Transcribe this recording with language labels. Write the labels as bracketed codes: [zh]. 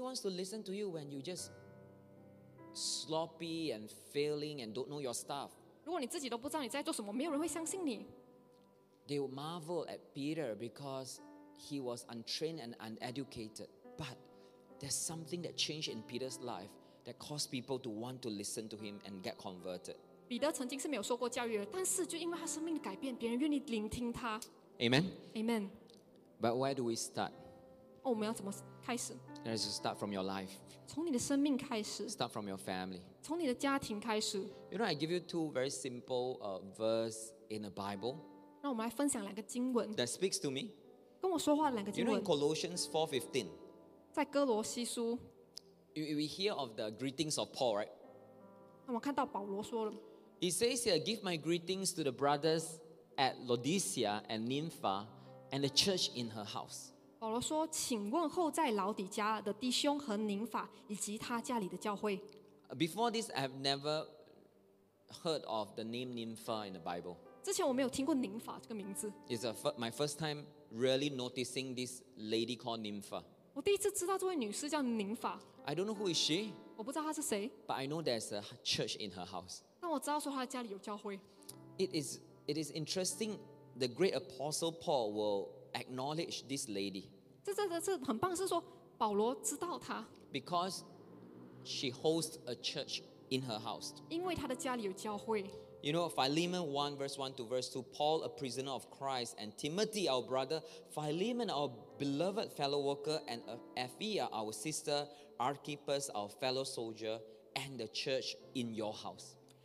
[en] wants to listen to you when you just sloppy and failing and don't know your stuff. [zh] 如果你自己都不知道你在做什么，没有人会相信你。 [en] They would marvel at Peter because he was untrained and uneducated, but there's something that changed in Peter's life that caused people to want to listen to him and get converted. [zh] 彼得曾经是没有受过教育的，但是就因为他生命的改变，别人愿意聆听他。Amen. [en] Amen. But where do we start? [zh] 我们要怎么开始？ [en] Let's start from your life. [zh] 从你的生命开始。 [en] Start from your family. [zh] 从你的家庭开始。 [en] You know, I give you two very simple verse in the Bible. [zh] 让我们来分享两个经文。 [en] That speaks to me. [zh] 跟我说话的两个经文。 [en] You know, in Colossians 4:15. [zh] 在哥罗西书。 [en] We hear of the greetings of Paul, right? [zh] 那我们看到保罗说了。 [en] He says here, give my greetings to the brothers at Laodicea and Nympha and the church in her house. [zh] 保罗说, 请问候在老底家的弟兄和宁法以及他家里的教会。 [en] Before this, I have never heard of the name Nympha in the Bible. [zh] 之前我没有听过宁法这个名字。 [en] It's my first time really noticing this lady called Nympha. [zh] 我第一次知道这位女士叫宁法。 [en] I don't know who is she. [zh] 我不知道她是谁。 [en] But I know there's a church in her house. [zh] 但我知道说他家里有教会。 [en] It is interesting, the great apostle Paul will acknowledge this lady. [zh] 这很棒是说保罗知道他。 [en] Because she hosts a church in her house. [zh] 因为他的家里有教会。 [en] You know, Philemon 1 verse 1 to verse 2, Paul, a prisoner of Christ, and Timothy, our brother, Philemon, our beloved fellow worker, and Apphia, our sister, Archippus, our fellow soldier, and the church in your house.